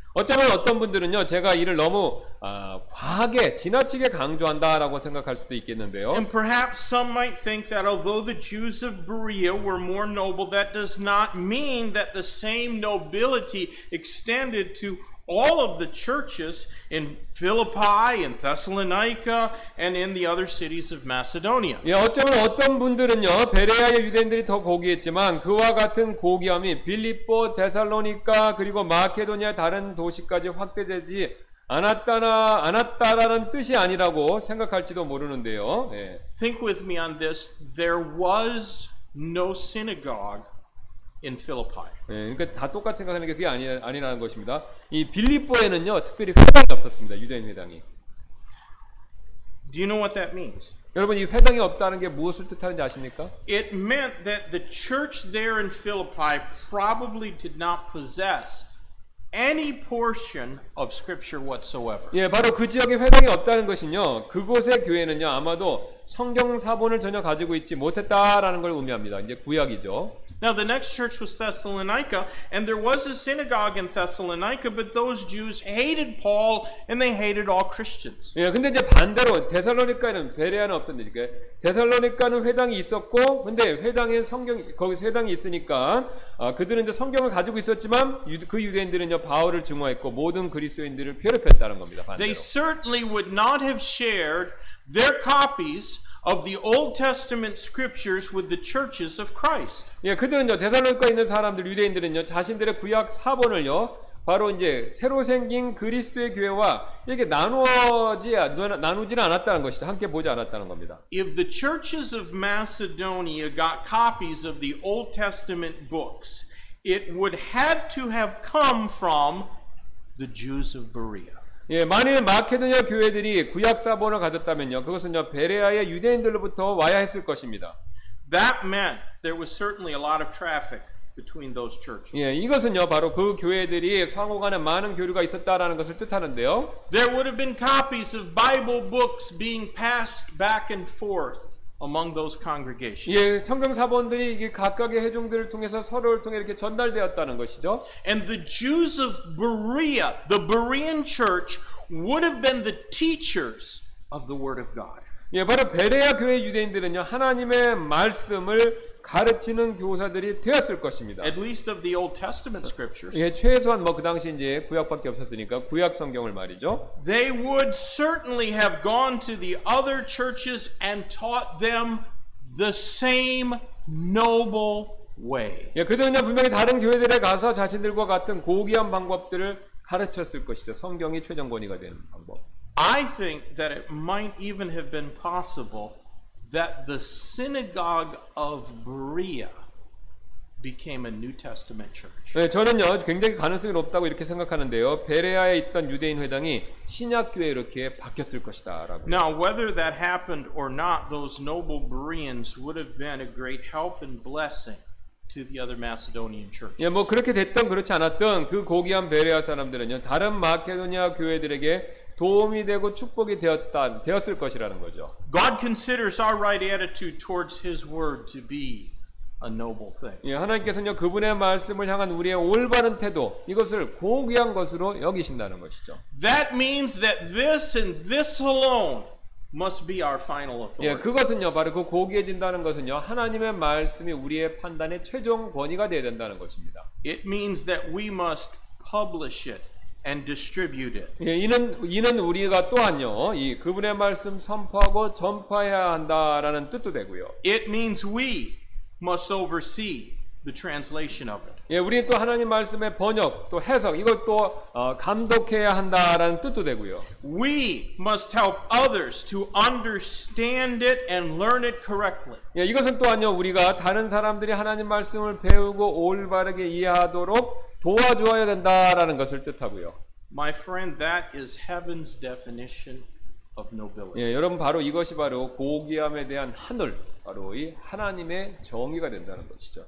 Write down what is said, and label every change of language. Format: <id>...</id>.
<ko>어쩌면 어떤 분들은요, 제가 이를 너무 과하게 지나치게 강조한다라고 생각할 수도 있겠는데요.</ko> <en>And perhaps some might think that although the Jews of Berea were more noble, that does not mean that the same nobility extended to all of the churches in Philippi and Thessalonica and in the other cities of Macedonia.</en> <ko>예, 어쩌면 어떤 분들은요, 베레아의 유대인들이 더 고귀했지만 그와 같은 고귀함이 빌립보, 데살로니가 그리고 마케도니아 다른 도시까지 확대되지 않았다라는 뜻이 아니라고 생각할지도 모르는데요. 예.</ko> <en>Think with me on this. There was no synagogue in Philippi.</en> <ko>예, 그러니까 다 똑같이 생각하는 게 그게 아니라는 것입니다. 이 빌립보에는요, 특별히 회당이 없었습니다. 유대인 회당이.</ko> <en>Do you know what that means?</en> <ko>여러분, 이 회당이 없다는 게 무엇을 뜻하는지 아십니까?</ko> <en>It meant that the church there in Philippi probably did not possess any portion of scripture whatsoever.</en> <ko>예, 바로 그 지역에 회당이 없다는 것은요. 그곳의 교회는요, 아마도 성경 사본을 전혀 가지고 있지 못했다라는 걸 의미합니다. 이제 구약이죠.</ko> <en>Now the next church was Thessalonica, and there was a synagogue in Thessalonica, but those Jews hated Paul, and they hated all Christians.</en> <ko>예, 근데 이제 반대로 데살로니가에는 베레아는 없었는데, 데살로니가는 회당이 있었고, 근데 회당에 성경 거기 회당이 있으니까 그들은 이제 성경을 가지고 있었지만 그 유대인들은요 바울을 증오했고 모든 그리스도인들을 괴롭혔다는 겁니다. 반대로.</ko> <en>They certainly would not have shared their copies of the Old Testament scriptures with the churches of Christ.</en> <ko>예, 그들은요, 데살로니가에 있는 사람들, 유대인들은요, 자신들의 구약 사본을요, 바로 이제 새로 생긴 그리스도의 교회와 이렇게 나누지는 않았다는 것이죠. 함께 보지 않았다는 겁니다.</ko> <en>If the churches of Macedonia got copies of the Old Testament books, it would had to have come from the Jews of Berea.</en> <ko>예, 만일 마케도니아 교회들이 구약 사본을 가졌다면요, 그것은요 베레아의 유대인들로부터 와야 했을 것입니다.</ko> <en>That meant there was certainly a lot of traffic between those churches.</en> <ko>예, 이것은요 바로 그 교회들이 상호간에 많은 교류가 있었다라는 것을 뜻하는데요.</ko> <en>There would have been copies of Bible books being passed back and forth among those congregations.</en> <ko>예, 성경사본들이 이게 각각의 회중들을 통해서 서로를 통해 이렇게 전달되었다는 것이죠.</ko> <en>And the Jews of Berea, the Berean church, would have been the teachers of the Word of God.</en> <ko>예, 바로 베레아 교회 유대인들은요, 하나님의 말씀을 가르치는 교사들이 되었을 것입니다.</ko> <en>At least of the Old Testament scriptures.</en> <ko>예, 최소한 뭐 그 당시 이제 구약밖에 없었으니까 구약 성경을 말이죠.</ko> <en>They would certainly have gone to the other churches and taught them the same noble way.</en> <ko>예, 그들은 분명히 다른 교회들에 가서 자신들과 같은 고귀한 방법들을 가르쳤을 것이죠. 성경이 최정권위가 되는 방법.</ko> <en>I think that it might even have been possible that the synagogue of Berea became a New Testament church.</en> <ko>네, 저는요 굉장히 가능성이 높다고 이렇게 생각하는데요. 베레아에 있던 유대인 회당이 신약교회 이렇게 바뀌었을 것이다라고.</ko> <en>Now whether that happened or not, those noble Bereans would have been a great help and blessing to the other Macedonian churches.</en> <ko>예, 뭐 그렇게 됐든 그렇지 않았든 그 고귀한 베레아 사람들은요 다른 마케도니아 교회들에게 도움이 되고 축복이 되었을 것이라는 거죠.</ko> <en>God considers our right attitude towards His word to be a noble thing.</en> <ko>예, 하나님께서는요 그분의 말씀을 향한 우리의 올바른 태도 이것을 고귀한 것으로 여기신다는 것이죠.</ko> <en>That means that this and this alone must be our final authority.</en> <ko>예, 그것은요 바로 그 고귀해진다는 것은요 하나님의 말씀이 우리의 판단의 최종 권위가 되어야 된다는 것입니다.</ko> <en>It means that we must publish it. And distribute it.</en> <ko>예, 이는 우리가 또한요, 이 그분의 말씀 선포하고 전파해야 한다라는 뜻도 되고요.</ko> <en>It means we must oversee the translation of it.</en> <ko>예, 우리는 또 하나님 말씀의 번역 또 해석 이걸 또 감독해야 한다라는 뜻도 되고요.</ko> <en>We must help others to understand it and learn it correctly.</en> <ko>예, 이것은 또한요, 우리가 다른 사람들이 하나님 말씀을 배우고 올바르게 이해하도록 도와줘야 된다라는 것을 뜻하고요.</ko> <en>My friend, that is heaven's definition of nobility.</en> <ko>예, 여러분 바로 이것이 바로 고귀함에 대한 하늘, 바로 이 하나님의 정의가 된다는 것이죠.</ko>